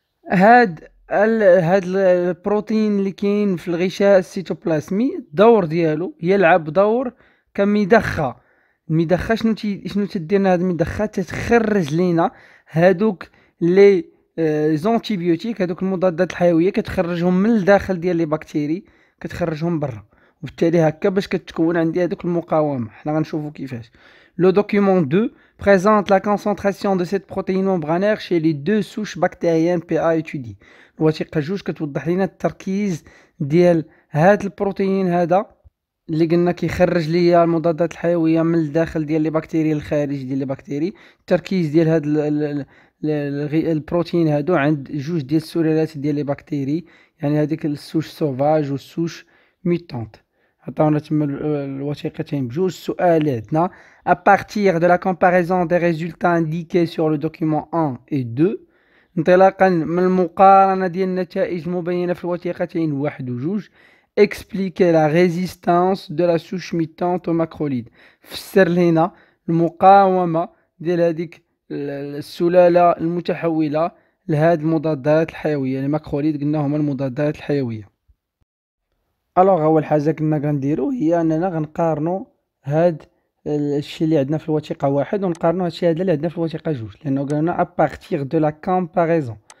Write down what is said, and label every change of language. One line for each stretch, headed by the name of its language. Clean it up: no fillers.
Arabic: هاد البروتين اللي كاين في الغشاء السيتوبلازمي الدور ديالو يلعب دور كمدخه. المدخه شنو تدير لنا هاد المدخه؟ تتخرج لينا هادوك لي زونتيبيوتيك هادوك المضادات الحيويه كتخرجهم من الداخل ديال لي باكتيري كتخرجهم برا، وبالتالي هكا باش كتكون عندي هادوك المقاومه. حنا غنشوفو كيفاش.
French: Le document 2 présente la concentration de cette protéine membranaire chez les deux souches bactériennes PA étudiées.
Arabic: الوثيقة جوج كتوضح لنا التركيز ديال هاد البروتين هذا اللي قلنا كيخرج ليا المضادات الحيوية من الداخل ديال لي باكتيري للخارج ديال لي باكتيري. التركيز ديال هاد البروتين هادو عند جوج ديال السلالات ديال لي باكتيري، يعني هذيك السوش سوفاج والسوش ميتانت. عطاونا تما الوثيقتين بجوج. السؤال اللي عندنا
French: à partir de la comparaison des résultats indiqués sur le document 1 et 2
Arabic: انطلاقا من المقارنة ديال النتائج المبينة في الوثيقتين 1 و 2
French: expliquer la résistance de la souche mutante au macrolide.
Arabic: فسر لينا المقاومة ديال هذيك السلالة المتحولة لهذه المضادات الحيوية. الماكروليد قلنا هما المضادات الحيوية. الوغ اول حاجة كنا غنديرو هي اننا غنقارنو هاد الشيء اللي عندنا في الوثيقه واحد ونقارنوا هادشي هذا اللي عندنا في الوثيقه جوج، لانه قالنا
French: ا بارتير دو لا كومباريزون.